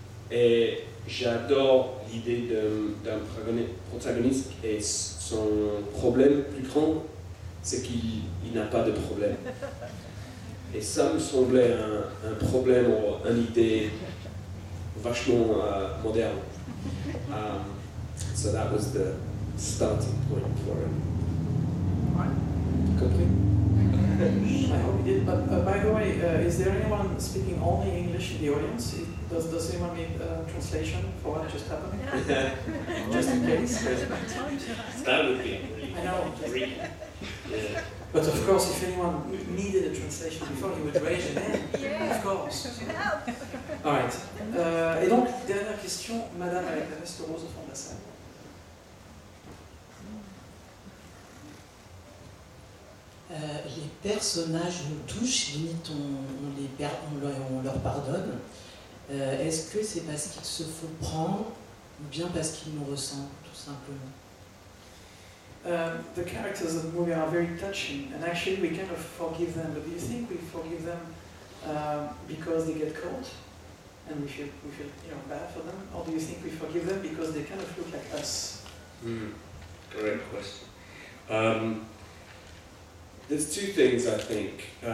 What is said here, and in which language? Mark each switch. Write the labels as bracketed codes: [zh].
[fr] Et j'adore l'idée d'un protagoniste et son problème plus grand, c'est qu'il n'a pas de problème. Et ça me semblait un problème ou une idée vachement moderne. [en] So that was the starting point for him. [fr] Compris? [en] I hope you did. But by the way, is there anyone speaking only English in the audience? Does anyone need translation for what just happened? Yeah. Just in case. That would be great. Yeah. But of course, if anyone needed a translation before, he would raise your hand. Yeah. Of course. All right. [fr] Et donc, dernière question, Madame Alexandre Rose au fond de la salle. Bonjour. Les personnages nous touchent, limite on leur pardonne. Est-ce que c'est parce qu'ils se font prendre ou bien parce qu'ils nous ressentent, tout simplement? [en] The characters of the movie are very touching, and actually we kind of forgive them. But do you think we forgive them because they get caught and we feel bad for them, or do you think we forgive them because they kind of look like us? Great question. There's two things, I think.